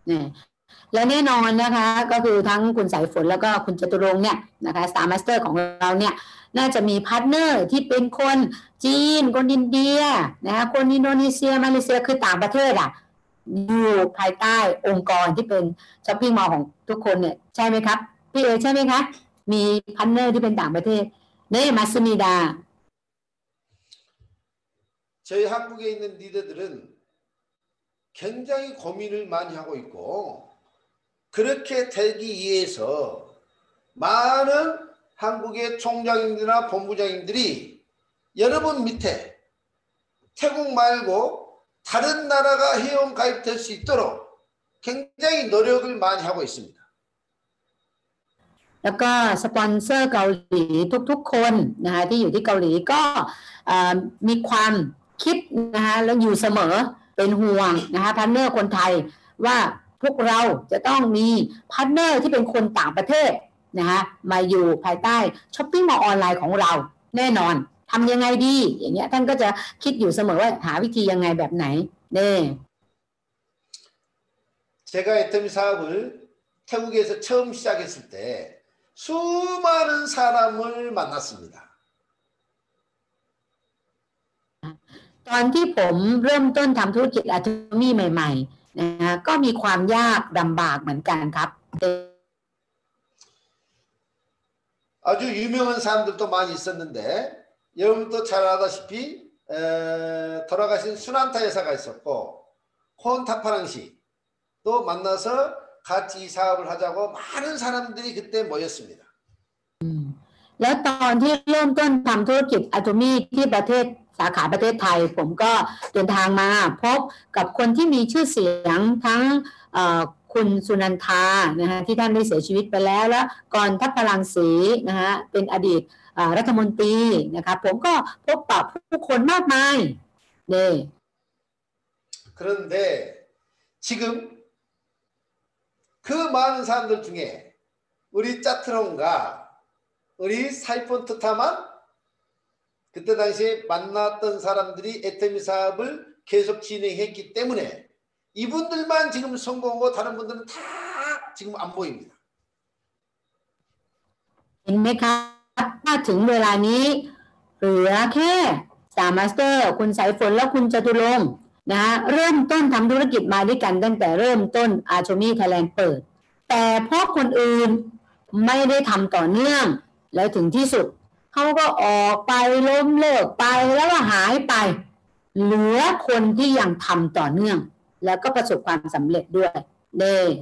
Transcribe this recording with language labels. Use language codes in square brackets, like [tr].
[th] 네และแน่นอนนะคะก็คือทั้งคุณสายฝนแล้วก็คุณจตุรงค์เนี่ยนะคะสตาร์มาสเตอร์ของเราเนี่ยน่าจะมีพาร์ทเนอร์ที่เป็นคนจีนคนอินเดียนะคนอินโดนีเซียมาเลเซียคือต่างประเทศอ่ะอยู่ภายใต้องค์กรที่เป็นช้อปปิ้งมอลล์ของทุกคนเนี่ยใช่ไหมครับพี่เอใช่ไหมคะมีพาร์ทเนอร์ที่เป็นต่างประเทศเนี่ยมาสมิดา [ko] 저희 한국에 있는 리더들은 굉장히 고민을 많이 하고 있고 그렇게 되기 위해서 많은 한국의 총장님들이나 본부장님들이 여러분 밑에 태국 말고 다른 나라가 회원 가입될 수 있도록 굉장히 노력을 많이 하고 있습니다 [th] แล้วก็สปอนเซอร์เกาหลีทุกๆคนนะคะที่อยู่ที่เกาหลีก็มีความคิดนะคะแล้วอยู่เสมอเป็นห่วงนะคะพาร์ทเนอร์คนไทยว่าพวกเราจะต้องมีพาร์ทเนอร์ที่เป็นคนต่างประเทศนะคะมาอยู่ภายใต้ช้อปปิ้งมอลล์ออนไลน์ของเราแน่นอนทำยังไงดีอย่างเงี้ยท่านก็จะคิดอยู่เสมอว่าหาวิธียังไงแบบไหนเนี่ย [ko] 제가 애터미 사업을 태국에서 처음 시작했을 때수많은사람을만났습니다 [th] ตอนที่ผมเริ่มต้นทำธุรกิจอาโทมี่ใหม่ๆนะก็มีความยากลำบากเหมือนกันครับ [ko] 아주 유명한 사람들도 많이 있었는데 여러분도 잘 아다시피 돌아가신 순안타 여사가 있었고 콘타파랑 씨도 만나서같이 이 사업을 하자고 많은 사람들이 그때 모였습니다 [th] แล้วตอนที่เริ่มต้นทำธุรกิจอาโทมี่ที่ประเทศสาขาประเทศไทยผมก็เดินทางมาพบกับคนที่มีชื่อเสียงทั้งคุณสุนันทานะฮะที่ท่านได้เสียชีวิตไปแล้วและก่อนทัพพลังศรีนะฮะเป็นอดีตรัฐมนตรีนะครับผมก็พบปะผู้คนมากมายนี่ [ko] 그런데지금그많은사람들중에우리짜트롱과우리사이폰투타만그때당시에만났던사람들이애터미사업을계속진행했기때문에 이분들만지금성공하고다른분들은다지금안보입니다 [th] เห็นไหมคะถ้าถึงเวลานี้เหลือแค่สามมาสเตอร์คุณสายฝนและคุณจตุรงค์นะเริ่มต้นทำธุรกิจมาด้วยกันตั้งแต่เริ่มต้นอาโชมี่ไทยแลนด์เปิดแต่เพราะคนอื่นไม่ได้ทำต่อเนื่องแล้วถึงที่สุดเขาก็ออกไปล้มเลิกไปแล้วก็หายไปเหลือคนที่ยังทำต่อเนื่องแล้วก็ประสบความสำเร็จด้วยเด้